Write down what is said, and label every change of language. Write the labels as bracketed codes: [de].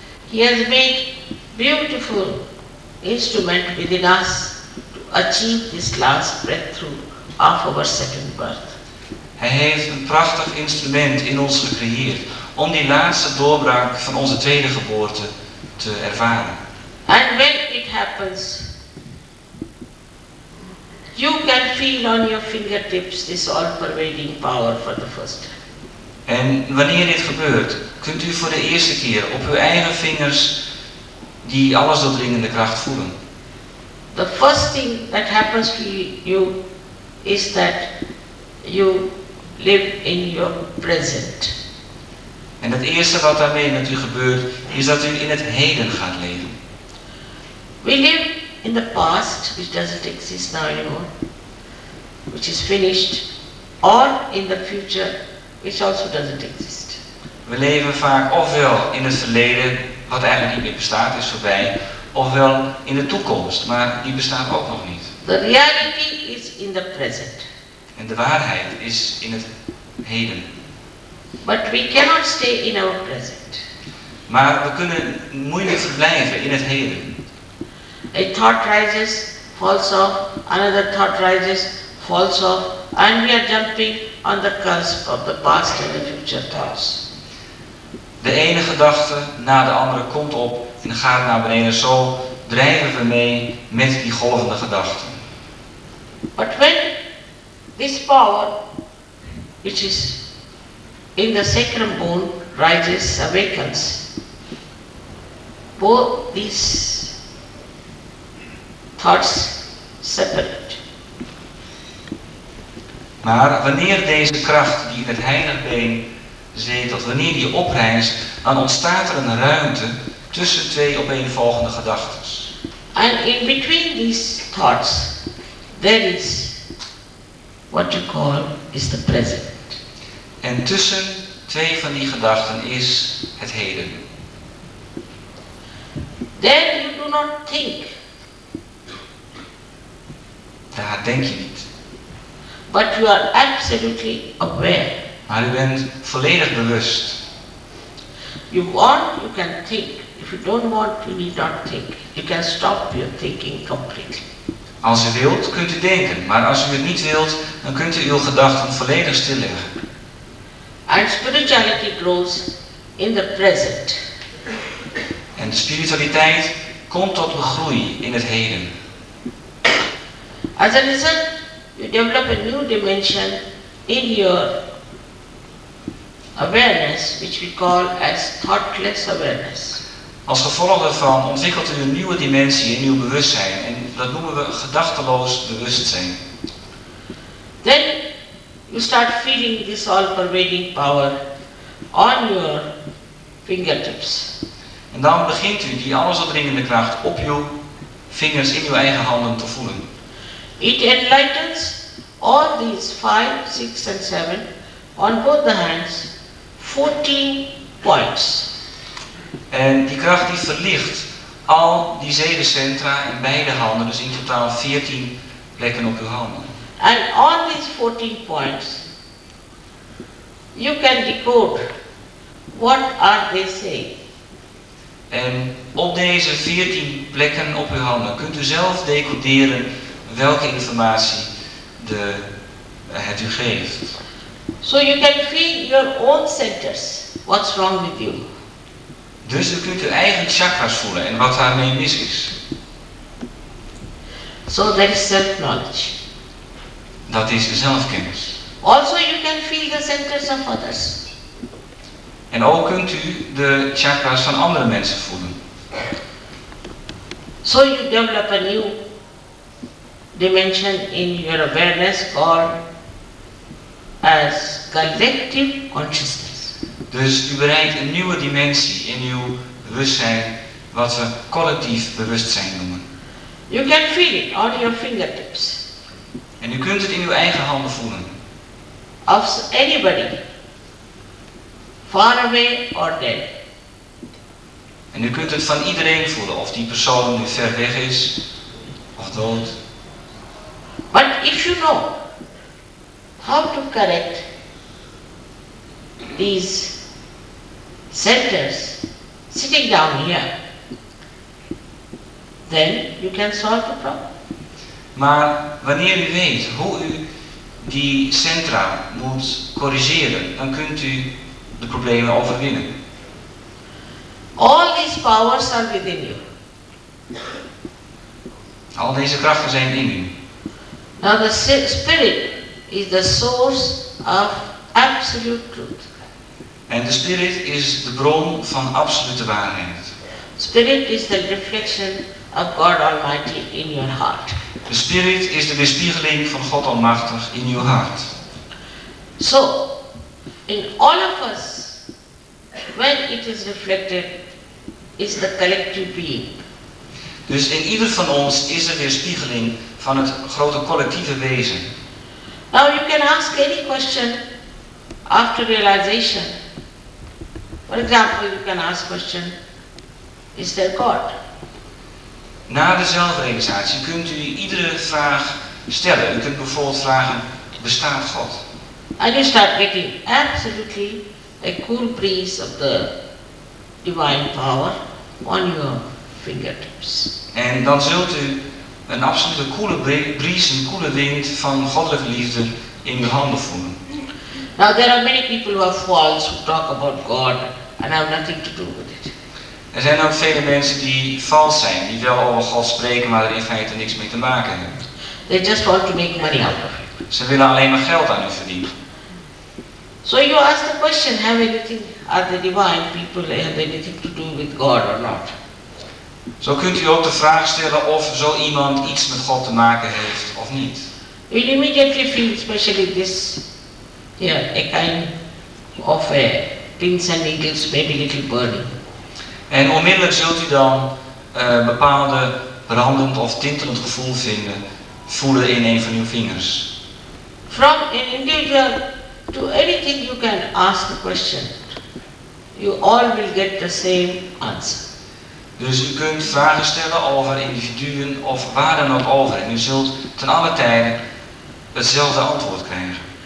[en] He has made beautiful instrument within us to achieve this last breakthrough of our second birth. [nl] Hij heeft een prachtig instrument in ons gecreëerd om die laatste doorbraak van onze tweede geboorte te ervaren. [en] And when it happens, you can feel on your fingertips this all-pervading power for the first time. [nl] En wanneer dit gebeurt, kunt u voor de eerste keer op uw eigen vingers die allesdoordringende kracht voelen. [en] The first thing that happens to you is that you live in your present. [nl] En het eerste wat daarmee met u gebeurt, is dat u in het heden gaat leven. [en] We live in the past, which doesn't exist now anymore, which is finished, or in the future, which also doesn't exist. [nl] We leven vaak ofwel in het verleden, wat eigenlijk niet meer bestaat, is voorbij, ofwel in de toekomst, maar die bestaat ook nog niet. [en] The reality is in the present. [nl] En de waarheid is in het heden. [en] But we cannot stay in our present. [nl] Maar we kunnen moeilijk verblijven in het heden. [en] A thought rises, falls off, another thought rises, falls off, and we are jumping on the cusp of the past and the future thoughts. [nl] De ene gedachte na de andere komt op en gaat naar beneden. Zo drijven we mee met die golvende gedachten. [en] But when this power, which is in the sacrum bone, rises, awakens, both these thoughts separate. [nl] Maar wanneer deze kracht die in het heiligbeen zetelt, wanneer die oprijst, dan ontstaat er een ruimte tussen twee opeenvolgende gedachten. [en] And in between these thoughts, there is what you call is the present. [nl] En tussen twee van die gedachten is het heden. [en] Then you do not think. [nl] Daar denk je niet. [en] But you are absolutely aware. [nl] Maar u bent volledig bewust. [en] You want, you can think. If you don't want, you need not think. You can stop your thinking completely. [nl] Als u wilt, kunt u denken. Maar als u het niet wilt, dan kunt u uw gedachten volledig stilleggen. [en] And spirituality grows in the present. [nl] En de spiritualiteit komt tot een groei in het heden. [en] As a result, you develop a new dimension in your awareness, which we call as thoughtless awareness. [nl] Als gevolg daarvan ontwikkelt u een nieuwe dimensie in uw bewustzijn, en dat noemen we gedachteloos bewustzijn. [en] Then you start feeling this all-pervading power on your fingertips. [nl] En dan begint u die allesdoordringende kracht op uw vingers, in uw eigen handen te voelen. [en] It enlightens all these 5, 6 and 7 on both the hands, 14 points. [nl] En die kracht die verlicht al die zedencentra in beide handen, dus in totaal 14 plekken op uw handen. [en] And on these 14 points, you can decode what are they saying. [nl] En op deze 14 plekken op uw handen kunt u zelf decoderen welke informatie het u geeft. [en] So you can feel your own centers, what's wrong with you. [nl] Dus u kunt uw eigen chakras voelen en wat daarmee mis is. [en] So that is self-knowledge. [nl] Dat is zelfkennis. [en] Also you can feel the centers of others. [nl] En ook kunt u de chakras van andere mensen voelen. [en] So you develop a new dimension in your awareness called as collective consciousness. [nl] Dus u bereikt een nieuwe dimensie in uw bewustzijn, wat we collectief bewustzijn noemen. [en] You can feel it on your fingertips. [nl] En u kunt het in uw eigen handen voelen. [en] Of anybody, far away or near. [nl] En u kunt het van iedereen voelen, of die persoon nu ver weg is of dood. [en] But if you know how to correct these centers sitting down here, then you can solve the problem. [nl] Maar wanneer u weet hoe u die centra moet corrigeren, dan kunt u de problemen overwinnen. [en] All these powers are within you. [nl] Al deze krachten zijn in u. [en] Now the spirit is the source of absolute truth. [nl] En de spirit is de bron van absolute waarheid. [en] Spirit is the reflection of God Almighty in your heart. [nl] De spirit is de weerspiegeling van God Almachtig in uw hart. [en] So, in all of us, when it is reflected, is the collective being. [nl] Dus in ieder van ons is er weerspiegeling van het grote collectieve wezen. [en] Now you can ask any question after realization. For example, you can ask question, is there God? [nl] Na de zelfrealisatie kunt u iedere vraag stellen. U kunt bijvoorbeeld vragen, bestaat God? [en] And you start getting absolutely a cool breeze of the divine power on your fingertips. [nl] En dan zult u een absolute koele breeze, een koele wind van goddelijke liefde in uw handen voelen. [en] Now there are many people who are false who talk about God and have nothing to do with it. [nl] Er zijn ook vele mensen die vals zijn, die wel over God spreken, maar er in feite niks mee te maken hebben. [en] They just want to make money out of it. [nl] Ze willen alleen maar geld aan u verdienen. [en] So you ask the question, have anything, are the divine people, have anything to do with God or not? [nl] Zo kunt u ook de vraag stellen of zo iemand iets met God te maken heeft of niet. [en] You immediately feel, especially this, here, a kind of a pins and needles, maybe little burning. [nl] En onmiddellijk zult u dan bepaalde brandend of tintelend gevoel vinden, voelen in een van uw vingers. [en] From an individual to anything you can ask a question, you all will get the same answer. [nl] Dus u kunt vragen stellen over individuen of waar dan ook over, en u zult ten alle tijde hetzelfde antwoord krijgen.